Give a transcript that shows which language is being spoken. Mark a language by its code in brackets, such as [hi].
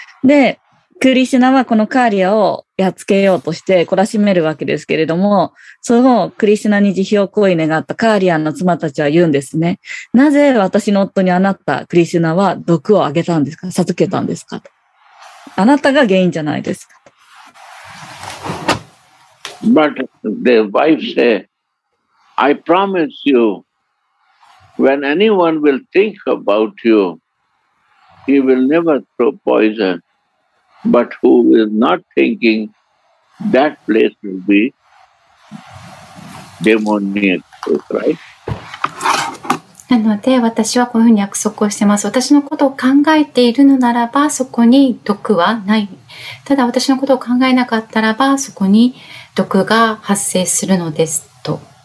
[ja] で、クリシュナはこのカーリアをやっつけようとして懲らしめるわけですけれども、そのクリシュナに慈悲を請い願ったカーリアの妻たちは言うんですね。なぜ私の夫にあなた、クリシュナは毒をあげたんですか、授けたんですかと。あなたが原因じゃないですか。 [en] But the wife said, I promise you, when anyone will think about you, he will never throw poison. But who is not thinking, that place will be demoniac, right? [ja] なので私はこういうふうに約束をしてます。私のことを考えているのならばそこに毒はない。ただ私のことを考えなかったらばそこに毒が発生するのですと。